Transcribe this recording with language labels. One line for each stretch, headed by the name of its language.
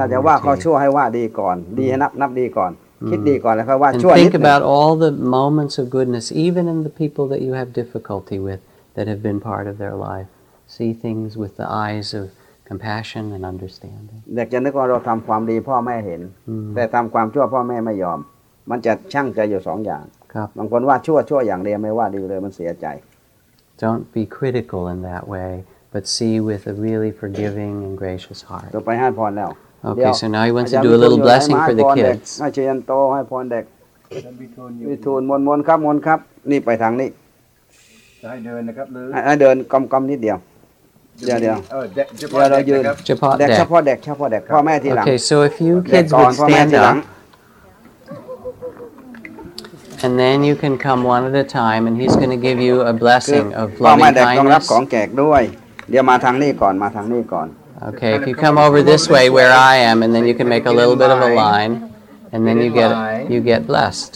Thai: ถ้าจะว่าเขาชั่วให้ว่าดีก่อนดีให้นับดีก่อนคิดดีก่อนแล้วค่อยว่าชั่วนิดนึง
English: Think about all the moments of goodness, even in the people that you have difficulty with that have been part of their life.See things with the eyes of compassion and understanding.
Thai: เด็กจะนึกว่าเราทำความดีพ่อแม่เห็นแต่ทำความชั่วพ่อแม่ไม่ยอมมันจะชั่งใจอยู่สองอย่าง ครับ บางคนว่าชั่วชั่วอย่างเดียวไม่ว่าดีเลยมันเสียใจ
English: Don't be critical in that way, but see with a really forgiving and gracious heart.
Thai: ต่อไปให้พรแล้ว
English: Okay, so now he wants to do a little blessing for the kids.
Thai: ให้เชียนโตให้พรเด็กวิทูลมนครับมนครับนี่ไปทางนี้ ให้เดินนะครับ หรือ ให้เดินกำๆนิดเดียวเดี๋ยวเดี๋ยว เดี๋ยวเรายืน เฉพาะเด็ก เฉพาะเด็กเฉพาะเด็กพ่อแม่ทีหลัง
English: Okay, so if you kids would stand up, and then you can come one at a time, and he's going to give you a blessing of loving kindness.
Thai: พ่อแม่เด็กต้องรับของแขกด้วยเดี๋ยวมาทางนี้ก่อนมาทางนี้ก่อน
English: Okay, if you come over this way where I am, and then you can make a little bit of a line. And then you get blessed.